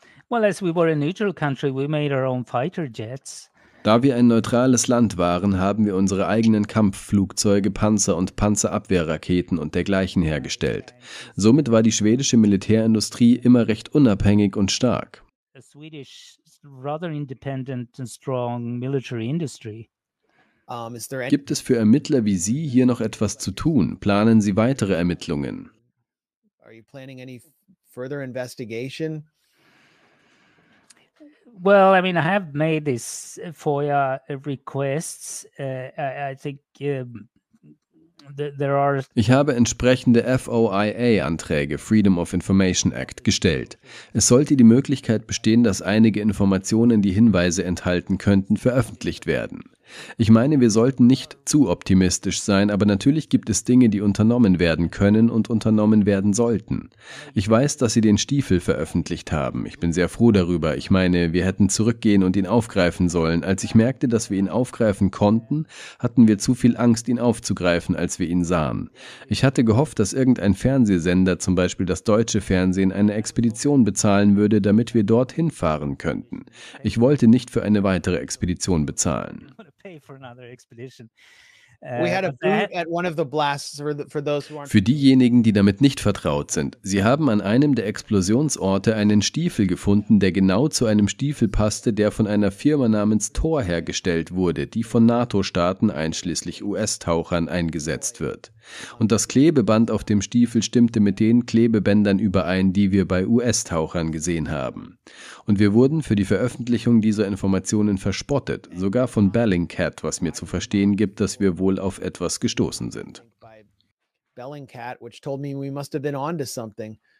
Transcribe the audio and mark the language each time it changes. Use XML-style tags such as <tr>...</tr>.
<en>Well, as we were a neutral country, we made our own fighter jets.</en> <de>Da wir ein neutrales Land waren, haben wir unsere eigenen Kampfflugzeuge, Panzer und Panzerabwehrraketen und dergleichen hergestellt. Somit war die schwedische Militärindustrie immer recht unabhängig und stark.</de> <en>A Swedish, rather independent and strong military industry.</en> <de>Gibt es für Ermittler wie Sie hier noch etwas zu tun? Planen Sie weitere Ermittlungen?</de> <en>Are you planning any further investigation? Well, I mean, I have made this FOIA requests. I think there are.</en> <de>Ich habe entsprechende FOIA-Anträge, Freedom of Information Act, gestellt. Es sollte die Möglichkeit bestehen, dass einige Informationen, die Hinweise enthalten könnten, veröffentlicht werden. Ich meine, wir sollten nicht zu optimistisch sein, aber natürlich gibt es Dinge, die unternommen werden können und unternommen werden sollten. Ich weiß, dass Sie den Stiefel veröffentlicht haben. Ich bin sehr froh darüber. Ich meine, wir hätten zurückgehen und ihn aufgreifen sollen. Als ich merkte, dass wir ihn aufgreifen konnten, hatten wir zu viel Angst, ihn aufzugreifen, als wir ihn sahen. Ich hatte gehofft, dass irgendein Fernsehsender, zum Beispiel das deutsche Fernsehen, eine Expedition bezahlen würde, damit wir dorthin fahren könnten. Ich wollte nicht für eine weitere Expedition bezahlen.</de> <en>For another expedition. We had a boot at one of the blasts for those who aren't.</en> <de>Für diejenigen, die damit nicht vertraut sind. Sie haben an einem der Explosionsorte einen Stiefel gefunden, der genau zu einem Stiefel passte, der von einer Firma namens Thor hergestellt wurde, die von NATO-Staaten einschließlich US-Tauchern eingesetzt wird. Und das Klebeband auf dem Stiefel stimmte mit den Klebebändern überein, die wir bei US-Tauchern gesehen haben. Und wir wurden für die Veröffentlichung dieser Informationen verspottet, sogar von Bellingcat, was mir zu verstehen gibt, dass wir wohl auf etwas gestoßen sind.</de> <en>Bellingcat, which told me we must have been on to something.</en>